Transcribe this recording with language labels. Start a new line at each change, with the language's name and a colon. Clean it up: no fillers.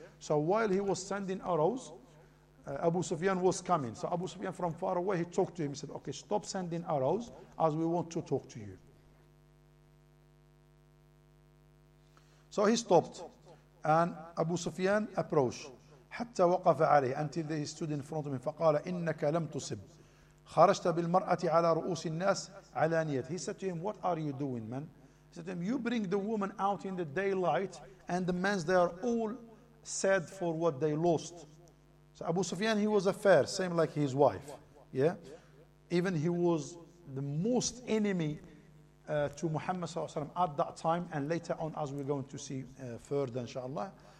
English: So while he was sending arrows, Abu Sufyan was coming. So Abu Sufyan from far away, he talked to him. He said, okay, stop sending arrows as we want to talk to you. So he stopped. And Abu Sufyan approached.
Arabic: حتى وقف عليه
English: until they stood in front of him.
Arabic: فقال إنك لم تصب خرجت بالمرأة على رؤوس الناس علانية.
English: He said to him, what are you doing, man? He said to him, you bring the woman out in the daylight and the men, they are all sad for what they lost. So Abu Sufyan, he was a fair, same like his wife. Yeah. Even he was the most enemy to Muhammad sallallahu alayhi wa sallam at that time, and later on as we're going to see further inshallah.